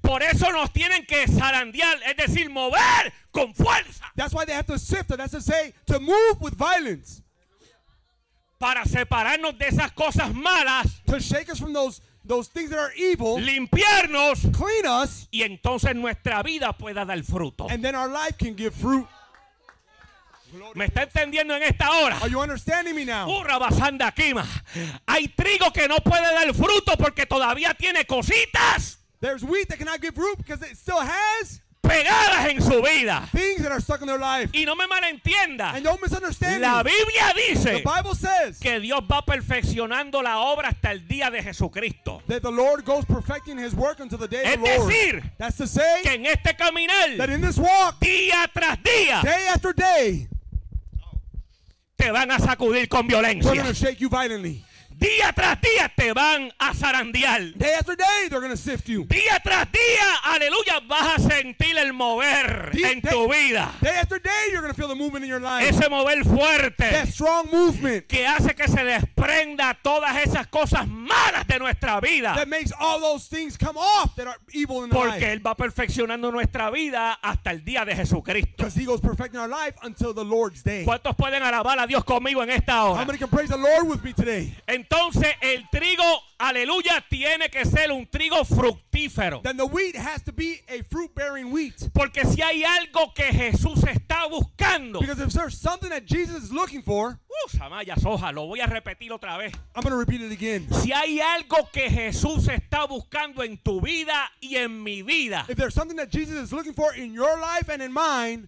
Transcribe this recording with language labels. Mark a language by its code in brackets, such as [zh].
[es] Por eso nos tienen que zarandear, es decir, mover con fuerza. [en] That's why they have to sift, that's to say, to move with violence. [es] Para separarnos de esas cosas malas. [en] To shake us from those things that are evil. [es] Limpiarnos. [en] Clean us. [es] Y entonces nuestra vida pueda dar fruto. [en] And then our life can give fruit. [es] ¿Me está entendiendo en esta hora? [en] Are you understanding me now? Urra basanda kima. [es] Hay trigo que no puede dar fruto porque todavía tiene cositas. [en] There's wheat that cannot give fruit because it still has. [es] Pegadas en su vida. [en] Things that are stuck in their life. [es] Y no me malentienda. [en] And don't misunderstand. [es] La Biblia dice. [en] The Bible says. [es] Que Dios va perfeccionando la obra hasta el día de Jesucristo. [en] That the Lord goes perfecting his work until the day [es] es [en] of the Lord. [es] Es decir. [en] That's to say. [es] Que en este caminar. [en] That in this walk. [es] Día tras día. [en] Day after day. [es] Te van a sacudir con violencia. [en] They're going to shake you violently. [es] Día tras día te van a zarandear. [en] Day after day they're going to sift you. [es] Día tras día, aleluya, vas a sentir el mover en tu vida. [en] Day after day you're going to feel the movement in your life. [es] Ese mover fuerte. [en] That strong movement. [es] Que hace que se desprenda todas esas cosas malas de nuestra vida. [en] That makes all those things come off that are evil in our life. [es] Porque él va perfeccionando nuestra vida hasta el día de Jesucristo. [en] Because he goes perfecting our life until the Lord's day. [es] ¿Cuántos pueden alabar a Dios conmigo en esta hora? [en] How many can praise the Lord with me today? [es] Entonces el trigo, aleluya, tiene que ser un trigo fructífero. [en] Then the wheat has to be a fruit-bearing wheat. [es] Porque si hay algo que Jesús está buscando. [en] Because if there's something that Jesus is looking for. Samaya Soja, [es] lo voy a repetir otra vez. [en] I'm going to repeat it again. [es] Si hay algo que Jesús está buscando en tu vida y en mi vida. [en] If there's something that Jesus is looking for in your life and in mine.